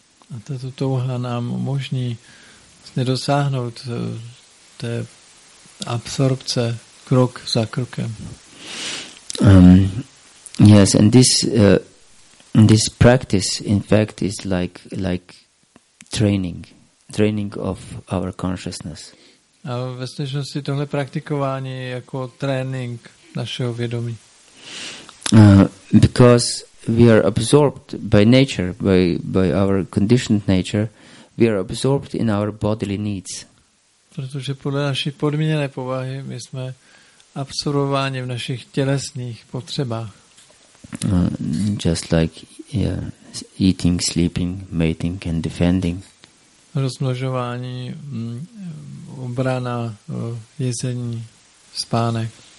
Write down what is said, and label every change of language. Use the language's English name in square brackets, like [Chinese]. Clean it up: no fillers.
[Czech] A tato touha nám umožní dosáhnout té absorpce krok za krokem. [English] Yes, and this this practice, in fact, is like training of our consciousness. [Czech] A ve skutečnosti tohle praktikování je jako trénink našeho vědomí. [English] Because we are absorbed by nature, by our conditioned nature, we are absorbed in our bodily needs. [Czech] Protože podle naší podmíněné povahy my jsme absorbováni v našich tělesných potřebách. [English] Just like eating, sleeping, mating and defending. [Czech] Rozmnožování, obrana, jezení, spánek.